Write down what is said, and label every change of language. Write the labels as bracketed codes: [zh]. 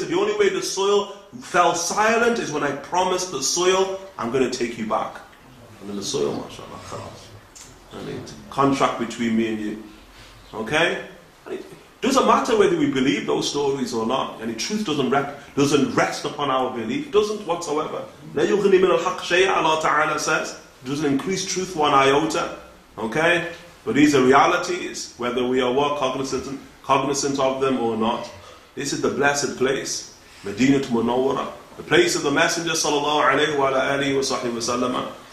[en] He said, the only way the soil fell silent is when I promised the soil, I'm going to take you back. And then the soil, mashallah, khalas. And it's a contract between me and you. Okay? And it doesn't matter whether we believe those stories or not. And the truth doesn't rest upon our belief. Doesn't whatsoever. [ar] لَا يُغْنِي مِنَ الْحَقْ شَيْءَ Allah Ta'ala says. [en] Doesn't increase truth one iota. Okay? But these are realities, whether we are well cognizant of them or not. This is the blessed place, Medina to Munawwara, the place of the Messenger sallallahu alayhi wa alayhi wa sahbihi wa sallam.